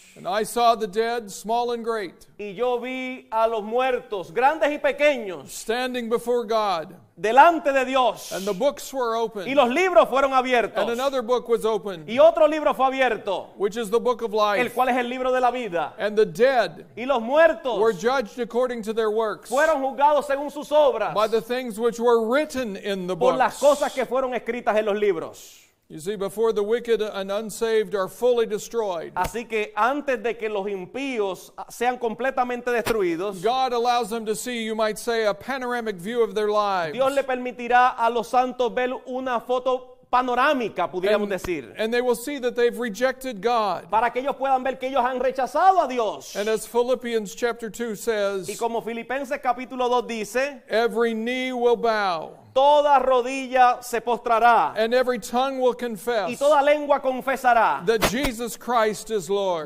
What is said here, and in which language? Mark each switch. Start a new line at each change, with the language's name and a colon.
English: And I saw the dead, small and great.
Spanish: Y yo vi a los muertos, grandes y pequeños.
English: Standing before God.
Spanish: Delante de Dios.
English: And the books were opened.
Spanish: Y los libros fueron abiertos.
English: And another book was opened.
Spanish: Y otro libro fue abierto.
English: Which is the book of life.
Spanish: El cual es el libro de la vida.
English: And the dead.
Spanish: Y los muertos.
English: Were judged according to their works.
Spanish: Fueron juzgados según sus obras.
English: By the things which were written in the books.
Spanish: Por las cosas que fueron escritas en los libros.
English: You see, before the wicked and unsaved are fully destroyed,
Spanish: así que antes de que los impíos sean completamente destruidos,
English: God allows them to see, you might say, a panoramic view of their lives.
Spanish: Dios le permitirá a los santos ver una foto panorámica, pudiéramos decir.
English: And they will see that they've rejected God.
Spanish: Para que ellos puedan ver que ellos han rechazado a Dios.
English: And as Philippians chapter 2 says,
Spanish: y como Filipenses capítulo 2 dice,
English: every knee will bow.
Spanish: Toda rodilla se postrará.
English: And every tongue will confess.
Spanish: Y toda lengua confesará.
English: That Jesus Christ is Lord.